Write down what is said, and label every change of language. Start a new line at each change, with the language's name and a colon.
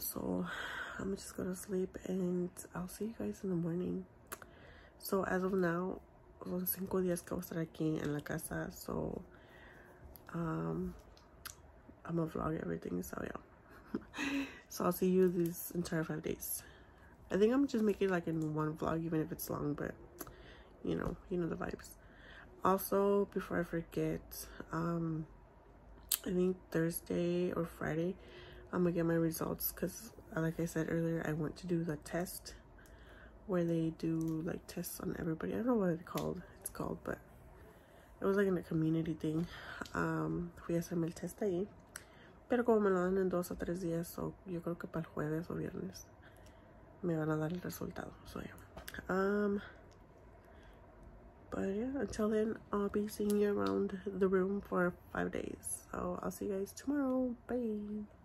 English: so I'm just gonna sleep and I'll see you guys in the morning. So as of now,
Spanish: son 5 días que voy a estar aquí en la casa.
English: So I'm gonna vlog everything, so yeah. So I'll see you these entire 5 days. I think I'm just making like in one vlog, even if it's long, but you know the vibes. Also, before I forget, I think Thursday or Friday I'm gonna get my results, because like I said earlier, I want to do the test where they do like tests on everybody. I don't know what it's called, but it was like in a community thing.
Spanish: Fui a hacerme el test ahí, pero como me lo dan en 2 o 3 días, so yo creo que para el jueves o viernes me van a dar el resultado.
English: So yeah. But yeah, until then, I'll be seeing you around the room for 5 days. So I'll see you guys tomorrow. Bye.